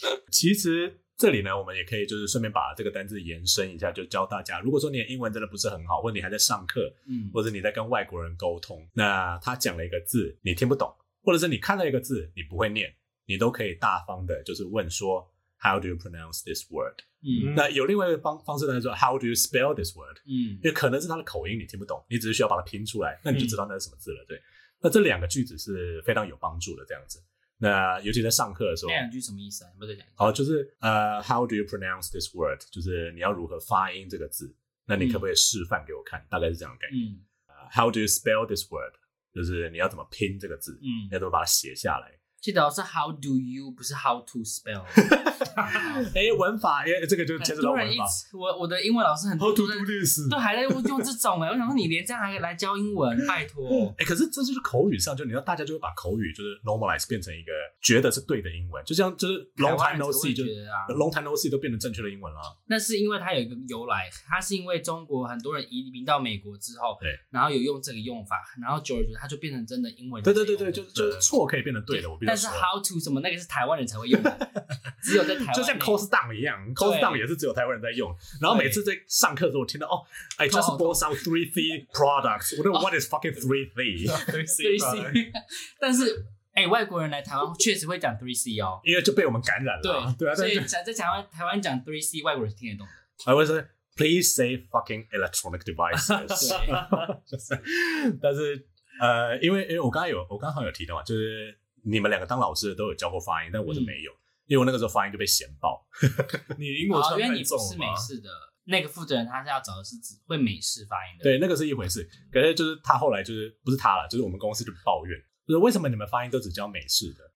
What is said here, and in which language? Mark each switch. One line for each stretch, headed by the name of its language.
Chinese: 其实这里呢我们也可以就是顺便把这个单字延伸一下，就教大家如果说你的英文真的不是很好，或者你还在上课，或者你在跟外国人沟通，那他讲了一个字你听不懂，或者是你看到一个字你不会念，你都可以大方的就是问说
English: How do you pronounce this word？
Chinese: 那有另外一个方式呢，说
English: How do you spell this word？
Chinese: 因为可能是他的口音你听不懂，你只是需要把它拼出来，那你就知道那是什么字了，对。那这两个句子是非常有帮助的这样子。那尤其在上课的时候，那两句什么意思啊？有没有在讲？好，就是
English: how do you pronounce this word？
Chinese: 就是你要如何发音这个字？那你可不可以示范给我看？大概是这样的概念。
English: How do you spell this word？
Chinese: 就是你要怎么拼这个字？你要怎么把它写下来？记得是 how do you， 不是 how to spell。哎，文法，这个就牵扯到文法。我的英文老师很多
English: how to do this，
Chinese: 都还在用这种我想说你连这样还来教英文，拜托。可是这就是口语上，就你要大家就会把口语就是 normalize 变成一个觉得是对的英文，就像就是
English: long time no see，
Chinese: 就、long time no see 都变成正确的英文了。那是因为它有一个由来，它是因为中国很多人移民到美国之后，然后有用这个用法，然后久而久之它就变成真的英文。对对对对，就是错可以变成对的，我必须。但是 how to 什么那个是台湾人才会用的，只有在台湾就像 cost down 一样 ，cost down 也是只有台湾人在用。然后每次在上课的时候，我听到哦 ，
English: I just bought some 3C products，
Chinese: 我都
English: what is fucking 3C？
Chinese: 但是外国人来台湾确实会讲 3C 哦，因为就被我们感染了。对啊，所以在台湾讲 3C， 外国人是听得懂的。
English: I was like, please say fucking electronic devices 。
Chinese: 就是，但是因为我刚好有提到嘛，就是。你们两个当老师的都有教过发音，但我是没有，因为我那个时候发音就被嫌爆。你英国腔太重了吗？因为你不是美式的，那个负责人他是要找的是只会美式发音的。对，那个是一回事，可是就是他后来就是不是他了，就是我们公司就抱怨，就是为什么你们发音都只教美式的？